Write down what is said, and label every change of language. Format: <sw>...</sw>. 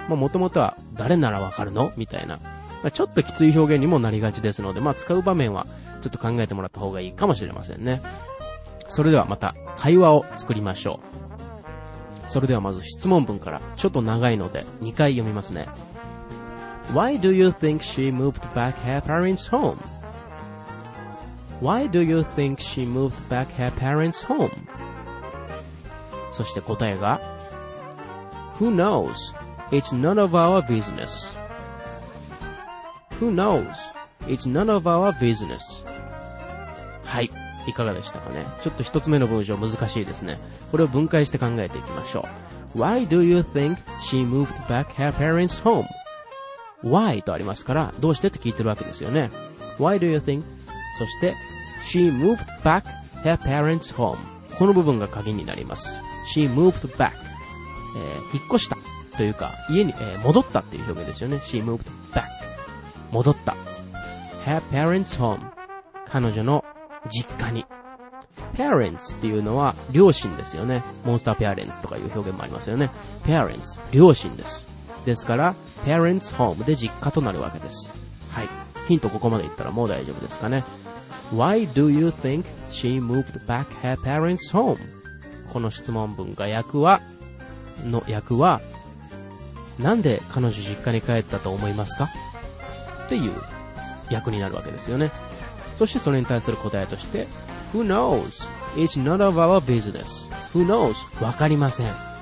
<ja>まあ元々は誰ならわかるの？みたいな、まあ、ちょっときつい表現にもなりがちですので、まあ使う場面はちょっと考えてもらった方がいいかもしれませんね。それではまた会話を作りましょう。それではまず質問文から、ちょっと長いので2回読みますね。</ja> <en>Why do you think she moved back her parents home? Why do you think she moved back her parents home?</en> <ja>そして答えが、</ja> <en>Who knows? It's none of our business. Who knows? It's none of our business.</en> <ja>はい、いかがでしたかね。ちょっと一つ目の文章難しいですね。これを分解して考えていきましょう。</ja> <en>Why do you think she moved back her parents' home?</en> <ja>Why とありますから、どうしてって聞いてるわけですよね。</ja> <en>Why do you think?</en> <ja>そして、</ja> <en>She moved back her parents' home.</en> <ja>この部分が鍵になります。</ja> <en>She moved back.、</en> <ja>引っ越したというか、家に、戻ったっていう表現ですよね。She moved back. 戻った。</ja> <en>Her parents' home.</en> <ja>彼女の実家に。Parents っていうのは両親ですよね。モンスターペアレンツとかいう表現もありますよね。 Parents、両親です。ですから、Parents' home で実家となるわけです。はい。ヒントここまでいったらもう大丈夫ですかね。</ja> <en>Why do you think she moved back her parents' home?</en> <ja>この質問文が訳は、の訳は、なんで彼女実家に帰ったと思いますか? っていう訳になるわけですよね。そしてそれに対する答えとして、</ja> <en>Who knows? It's none of our business. Who knows?</en> <ja>わかりません。</ja>